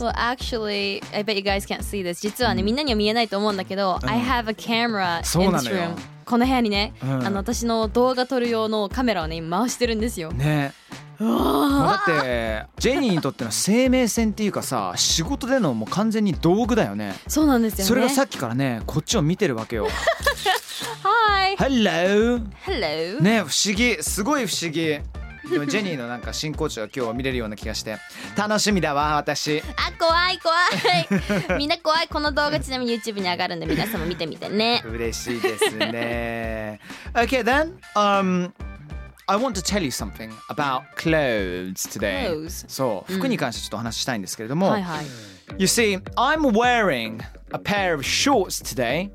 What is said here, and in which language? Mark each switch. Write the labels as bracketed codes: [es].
[en] Well, actually, I bet you guys can't see this. [ja] 実はね、みんなには見えないと思うんだけど、 [en] I have a camera in this room. [ja] この部屋にね、あの、私の動画撮る用のカメラをね、回してるんですよ。ね。だってジェニーにとっての生命線っていうかさ、仕事でのもう完全に道具だよね。そうなんですよね。それがさっきからね、こっちを見てるわけよ。 [en] Hi. Hello. Hello. [ja] ね、不思議、すごい不思議。でもジェニーのなんか新コーチが今日は見れるような気がして楽しみだわ私。あ、怖い怖い。みんな怖い。この動画ちなみに YouTube に上がるんで皆さんも見てみてね。嬉しいですね。 [en] Okay then, I want to tell you something about clothes today. Clothes. [ja] そう、服に関してちょっとお話したいんですけれども。はいはい。 [en] You see, I'm wearing a pair of shorts today.